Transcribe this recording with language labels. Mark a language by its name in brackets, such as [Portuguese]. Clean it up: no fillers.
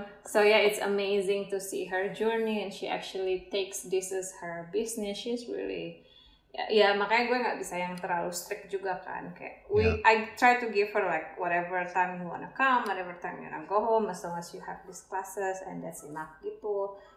[English] So yeah, it's amazing to see her journey, and she actually takes this as her business. She's really, yeah, [Indonesian] makanya gue nggak bisa yang terlalu strict juga kan. [English] Kayak I try to give her like whatever time you wanna come, whatever time you wanna go home, as long as you have these classes, and that's enough gitu.